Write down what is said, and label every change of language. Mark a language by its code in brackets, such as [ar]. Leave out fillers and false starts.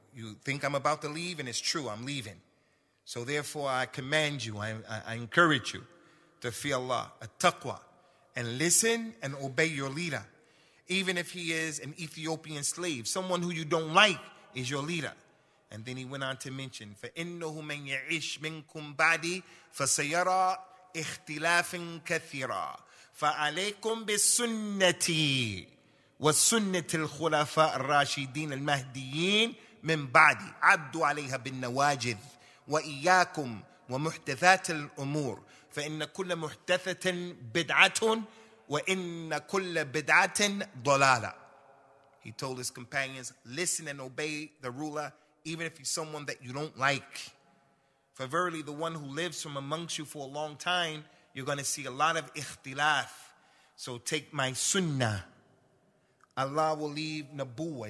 [en] You think I'm about to leave, and it's true, I'm leaving. So therefore, I command you, I encourage you to fear Allah, a taqwa. And listen and obey your leader, even if he is an Ethiopian slave. Someone who you don't like is your leader. And then he went on to mention, [ar] فَإِنَّهُ مَنْ يَعِشْ مِنْكُمْ بَعْدِي فَسَيَرَى اِخْتِلَافٍ كَثِيرًا فَعَلَيْكُمْ بِسُنَّتِي وَسُنَّةِ الْخُلَفَاءِ الرَّاشِدِينَ الْمَهْدِيِّينَ مِنْ بَعْدِي عَدُّوا عَلَيْهَا بِالنَّوَاجِذِ وَإِيَّاكُمْ وَمُحْدَثَاتِ الْأُمُورِ فَإِنَّ كُلَّ مُحْدَثَةٍ بِدْعَةٌ وَإِنَّ كُلَّ بِدْعَةٍ ضَلَالَةٌ. [en] He told his companions, listen and obey the ruler, even if he's someone that you don't like. For verily, the one who lives from amongst you for a long time, you're going to see a lot of ikhtilaf. So take my sunnah. Allah will leave nabuwa.